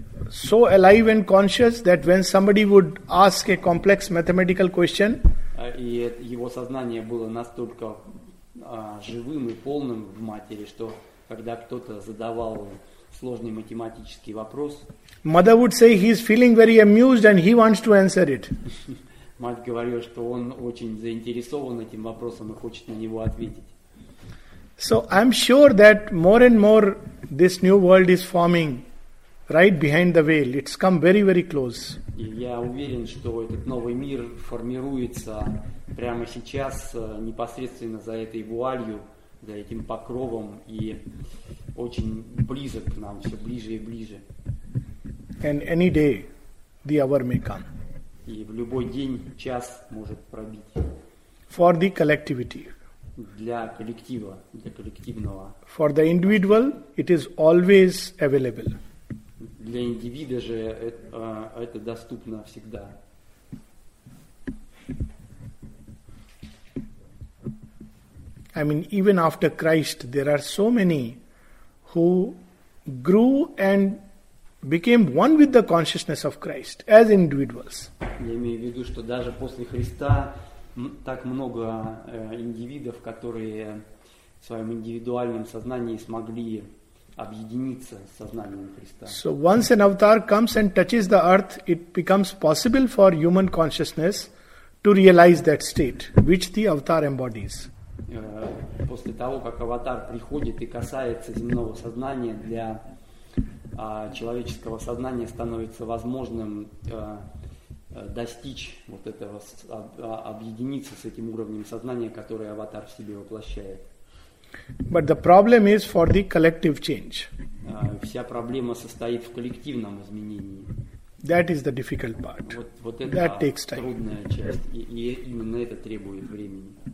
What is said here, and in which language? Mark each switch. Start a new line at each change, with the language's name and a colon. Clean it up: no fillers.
English: So alive and conscious that when somebody would ask a complex mathematical question,
Russian: и его сознание было настолько живым и полным в матери, что когда кто-то задавал сложный математический вопрос,
English: mother would say he is feeling very amused and he wants to answer it.
Russian: Мать говорила, что он очень заинтересован этим вопросом и хочет на него ответить.
English: So I'm sure that more and more this new world is forming right behind the veil. It's come very, very close.
Russian: И я уверен, что этот новый мир формируется прямо сейчас, непосредственно за этой вуалью, за этим покровом, и очень близок к нам, все ближе и ближе.
English: And any day the hour may come.
Russian: И в любой день час может пробить.
English: For the collectivity.
Russian: Для коллектива, для коллективного.
English: For the individual, it is always available.
Russian: Для индивида же это доступно всегда.
English: I mean, even after Christ, there are so many who grew and became one with the consciousness of Christ as individuals.
Russian: Я имею в виду, что даже после Христа так много индивидов, которые в своем индивидуальном сознании смогли объединиться с сознанием Христа.
English: So once an avatar comes and touches the earth, it becomes possible for human consciousness to realize that state, which the avatar embodies.
Russian: После того, как аватар приходит и касается земного сознания, для человеческого сознания становится возможным достичь вот этого, объединиться с этим уровнем сознания, который аватар в себе воплощает.
English: But the problem is for the collective change.
Russian: Вся проблема состоит в коллективном изменении.
English: That is the difficult part.
Russian: Вот это
English: that takes time.
Russian: Трудная часть, и именно это требует времени.